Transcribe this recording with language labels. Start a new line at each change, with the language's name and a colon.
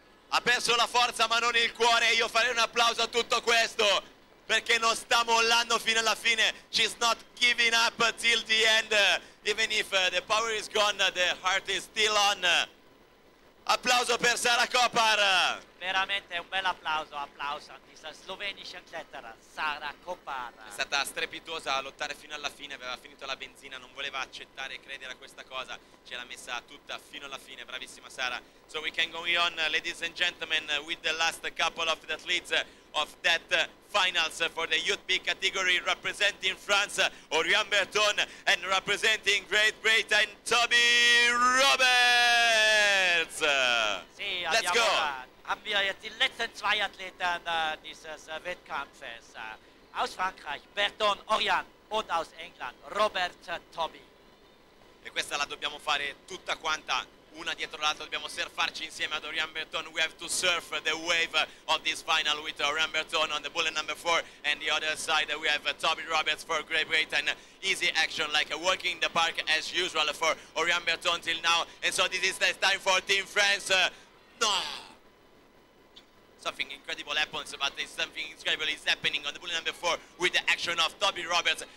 Italian: Ha perso la forza, ma non il cuore. Io farei un applauso a tutto questo, perché non sta mollando fino alla fine.
English: She's not giving up till the end. Even if the power is gone, the heart is still on.
Italian: Applauso per Sarah Copper. Veramente un bel applauso, applauso a questa
German: slovenische klettera,
Italian: Sarah Copper. È stata strepitosa a lottare fino alla fine, aveva finito la benzina, non voleva accettare e credere a questa cosa. Ce l'ha messa tutta fino alla fine, bravissima Sarah.
English: So we can go on, ladies and gentlemen, with the last couple of the athletes of that finals for the Youth B category, representing France, Orian Berton, and representing Great Britain, Toby Roberts.
Italian: Sì,
English: let's go.
Italian: Abbiamo i
German: letzten
Italian: 2 atleti di questo Wettkampf.
German: Aus Frankreich, Berton, Orian, und aus England, Robert, Toby.
Italian: E questa la dobbiamo fare tutta quanta, una dietro l'altra, dobbiamo surfarci insieme ad Orian Berton.
English: We have to surf the wave of this final with Orian Berton on the bullet number 4, and the other side we have Toby Roberts for Great Britain. Easy action, like a walk in the park as usual for Orian Berton till now. And so this is the time for Team France. No! Something incredible happens, but something incredible is happening on the bullet number 4 with the action of Toby Roberts.